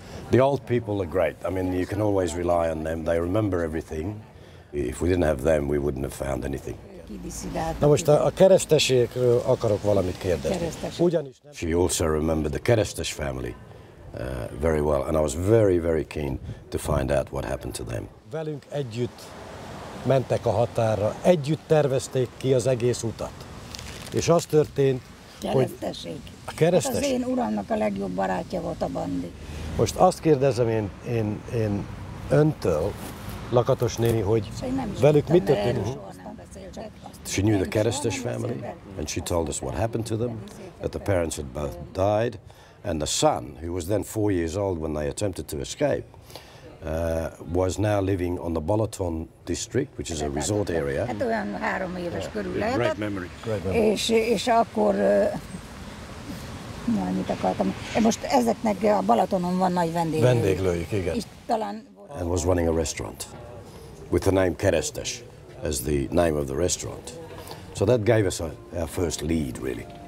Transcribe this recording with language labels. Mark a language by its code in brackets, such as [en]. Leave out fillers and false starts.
[en] The old people are great. I mean, you can always rely on them. They remember everything. If we didn't have them, we wouldn't have found anything. [hu] Na most a keresztesekről akarok valamit kérdezni. Ugyanis nem... [en] She also remembered the Keresztes family very well, and I was very, very keen to find out what happened to them. [hu] Velünk együtt mentek a határra, együtt tervezték ki az egész utat. És az történt, hogy... A keresztesek. Hát az én uramnak a legjobb barátja volt a bandi. Most azt kérdezem én öntől, Lakatos néni, hogy velük mit történt? [en] She knew the Keresztes family, and she told us what happened to them, that the parents had both died, and the son, who was then 4 years old when they attempted to escape, was now living on the Balaton district, which is a resort area. [hu] Hát olyan 3 éves körül lehetett. [en] Great memory. [hu] És akkor Mit akartam. Most ezeknek a Balatonon van nagy vendéglőjük. Vendéglőjük, igen. És talán... [en] And was running a restaurant with the name Keresztes as the name of the restaurant. So that gave us our first lead, really.